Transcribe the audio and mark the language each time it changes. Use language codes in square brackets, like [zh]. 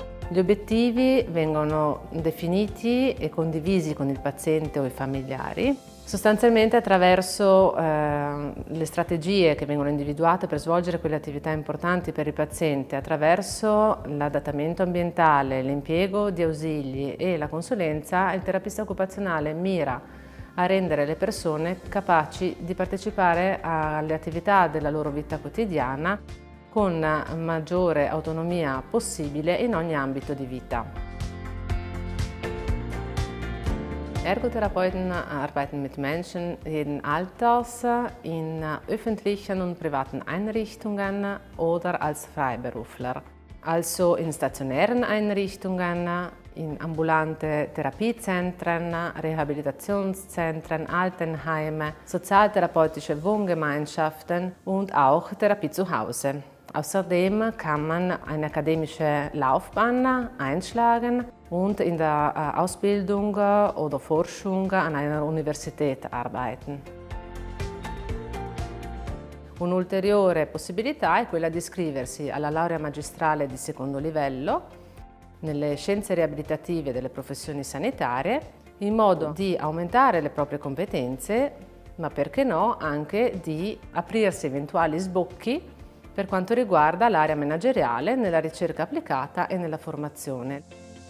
[it] Gli obiettivi vengono definiti e condivisi con il paziente o i familiari, sostanzialmente attraverso le strategie che vengono individuate per svolgere quelle attività importanti per il paziente, attraverso l'adattamento ambientale, l'impiego di ausili e la consulenza, il terapista occupazionale mira a rendere le persone capaci di partecipare alle attività della loro vita quotidiana con maggiore autonomia possibile in ogni ambito di vita. [de] Ergotherapeuten arbeiten mit Menschen jeden Alters in öffentlichen und privaten Einrichtungen oder als Freiberufler. Also in stationären Einrichtungen, in ambulante Therapiezentren, Rehabilitationszentren, Altenheime, sozialtherapeutische Wohngemeinschaften und auch Therapie zu Hause. Außerdem kann man eine akademische Laufbahn einschlagen und in der Ausbildung oder Forschung an einer Universität arbeiten. [it] Un'ulteriore possibilità è quella di iscriversi alla laurea magistrale di secondo livello nelle scienze riabilitative delle professioni sanitarie in modo di aumentare le proprie competenze, ma perché no anche di aprirsi eventuali sbocchi per quanto riguarda l'area manageriale nella ricerca applicata e nella formazione.